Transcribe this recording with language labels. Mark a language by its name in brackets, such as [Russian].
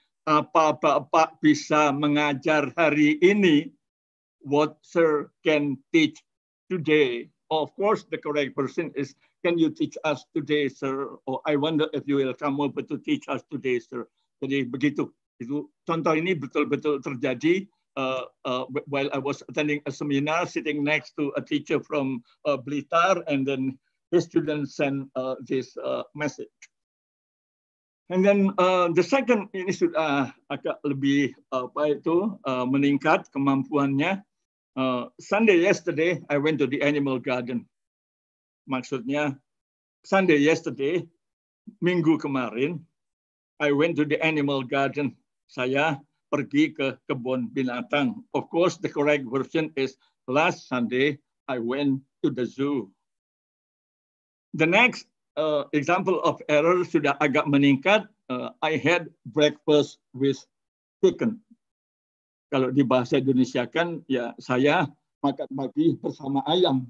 [Indonesian] Apa bapak bisa mengajar hari ini? [English] What sir can teach today? Of course, the correct person is, can you teach us today, sir? Or I wonder if you will come over to teach us today, sir. [Indonesian] Jadi begitu. Itu contoh ini betul-betul terjadi. [English] While I was attending a seminar, sitting next to a teacher from Blitar, and then his students send this message. And then the second, [Indonesian] ini sudah agak lebih meningkat kemampuannya. [English] Sunday yesterday, I went to the animal garden. [Indonesian] Maksudnya, [English] Sunday yesterday, [Indonesian] minggu kemarin, [English] I went to the animal garden. [Indonesian] Saya pergi ke kebun binatang. [English] Of course, the correct version is last Sunday, I went to the zoo. The next example of error [Indonesian] sudah agak meningkat. [English] I had breakfast with chicken. [Indonesian] Kalau di bahasa Indonesia kan, ya saya makan pagi bersama ayam.